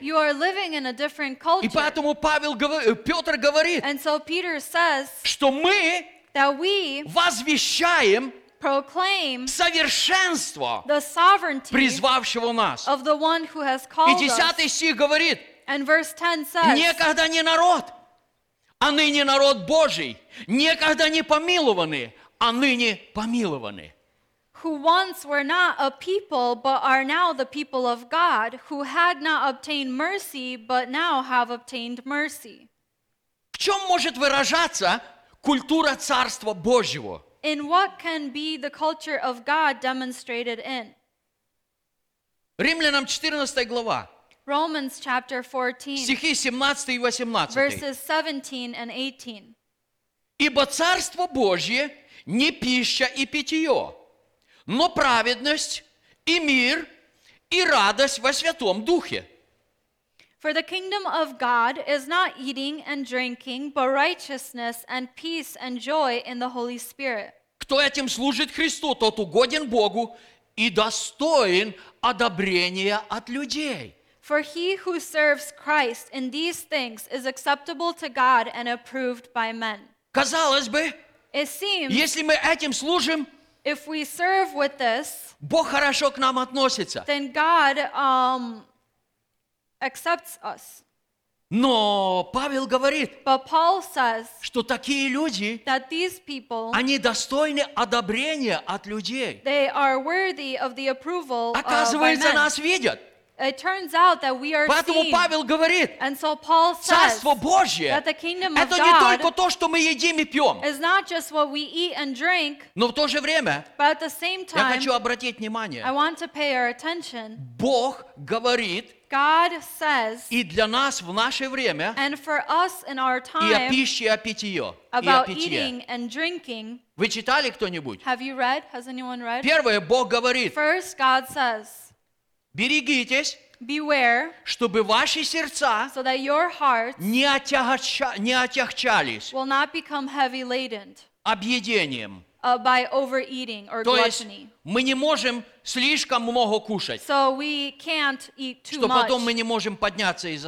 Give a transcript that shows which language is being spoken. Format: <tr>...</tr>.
<en>You are living in a different culture.</en> <ru>И поэтому Петр говорит,</ru> <en>and so Peter says,</en> <ru>что мы</ru> <en>that we</en> <ru>возвещаем</ru> <en>proclaim</en> <ru>совершенство</ru> <en>the sovereignty</en> <ru>призвавшего нас.</ru> <en>Of the one who has called</en> <ru>и 10 стих говорит,</ru> <en>and verse 10 says,</en> <ru>некогда не народ, а ныне народ Божий, некогда не помилованные, а ныне помилованные.</ru> <en>Who once were not a people, but are now the people of God, who had not obtained mercy, but now have obtained mercy.</en> <ru>В чем может выражаться культура Царства Божьего?</ru> <en>In what can be the culture of God demonstrated in?</en> <ru>Римлянам 14 глава.</ru> <en>Romans chapter 14.</en> <ru>Стихи 17 и 18.</ru> <en>Verses 17 and 18.</en> <ru>Ибо Царство Божье не пища и питье, но праведность и мир и радость во Святом Духе.</ru> <en>For the kingdom of God is not eating and drinking, but righteousness and peace and joy in the Holy Spirit.</en> <ru>Кто этим служит Христу, тот угоден Богу и достоин одобрения от людей.</ru> <en>For he who serves Christ in these things is acceptable to God and approved by men.</en> <ru>Казалось бы,</ru> <en>it seems,</en> <ru>если мы этим служим,</ru> <en>if we serve with this,</en> <ru>Бог хорошо к нам относится.</ru> <en>Then God accepts us.</en> <ru>Но Павел говорит,</ru> <en>but Paul says,</en> <ru>что такие люди,</ru> <en>that these people,</en> <ru>они достойны одобрения от людей.</ru> <en>They are worthy of the approval of men.</en> <ru>Оказывается, нас видят.</ru> <en>It turns out that we are</en> <ru>Поэтому</ru> <en>seen.</en> <ru>Павел говорит,</ru> <en>and so Paul says,</en> <ru>Царство Божье,</ru> <en>that the kingdom</en> <ru>это</ru> <en>of</en> <ru>не</ru> <en>God</en> <ru>только то, что мы едим и пьем,</ru> <en>is not just what we eat and drink,</en> <ru>но в то же время,</ru> <en>but at the same time,</en> <ru>я хочу обратить внимание,</ru> <en>I want to pay our attention,</en> <ru>Бог говорит,</ru> <en>God says,</en> <ru>и для нас в наше время,</ru> <en>and for us in our time,</en> <ru>и о пище, и о питье,</ru> <en>about</en> <ru>и о питье.</ru> <en>Eating and drinking,</en> <ru>вы читали кто-нибудь?</ru> <en>Have you read? Has anyone read?</en> <ru>Первое, Бог говорит,</ru> <en>first, God says,</en> <ru>берегитесь,</ru> <en>beware,</en> <ru>чтобы ваши сердца,</ru> <en>so that your hearts,</en> <ru>не отягчались,</ru> <en>will not become heavy laden,</en> <ru>объедением,</ru> <en>by overeating or</en> <ru>то</ru> <en>gluttony.</en> <ru>Есть, мы не можем слишком много кушать,</ru> <en>so we can't eat too</en> <ru>что</ru> <en>much,</en> <ru>потом мы не можем подняться из-за</ru>